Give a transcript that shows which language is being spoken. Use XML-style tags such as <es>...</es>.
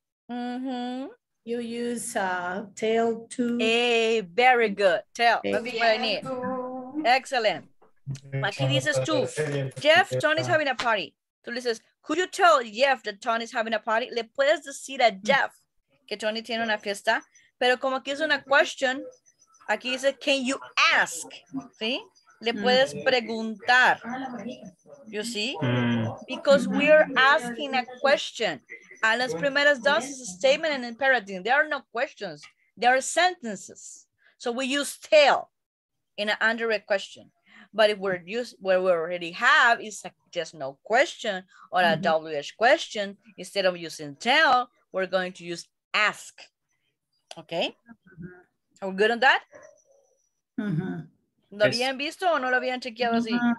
<en>mm-hmm. You use tell to. Very good. Tell. That's what I need. Excellent. Makini says two. Jeff, Tony's having a party. Tony says, could you tell Jeff that Tony's having a party?</en> <es>Le puedes decir a Jeff que Tony tiene una fiesta, pero como aquí es una question. Aquí dice,</es> <en>can you ask?</en> <es>¿Sí? Le puedes preguntar.</es> <en>You see? Because we are asking a question. And</en> <es>las primeras dos</es> <en>is a statement and imperative. There are no questions. There are sentences. So we use tell in an indirect question. But if we're using what we already have is just no question or a WH question, instead of using tell, we're going to use ask. Okay? Are we good on that? Mm-hmm.</en> <es>¿Lo habían visto o no lo habían chequeado así?</es>